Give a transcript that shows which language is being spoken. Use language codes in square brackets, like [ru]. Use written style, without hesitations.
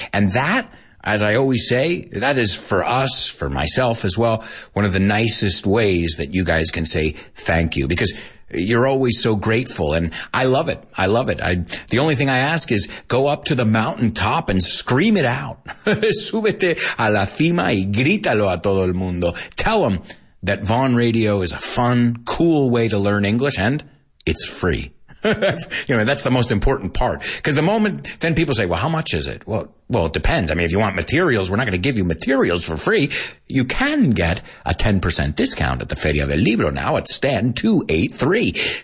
[en] And that, as I always say, that is for us, for myself as well, one of the nicest ways that you guys can say thank you, because you're always so grateful, and I love it. I love it. The only thing I ask is go up to the mountaintop and scream it out. [es] Súbete a la cima y grítalo a todo el mundo. [en] Tell them that Vaughn Radio is a fun, cool way to learn English, and it's free. You know, that's the most important part. Because the moment, then people say, well, how much is it? Well, it depends. I mean, if you want materials, we're not going to give you materials for free. You can get a 10% discount at the Feria del Libro now at stand 283.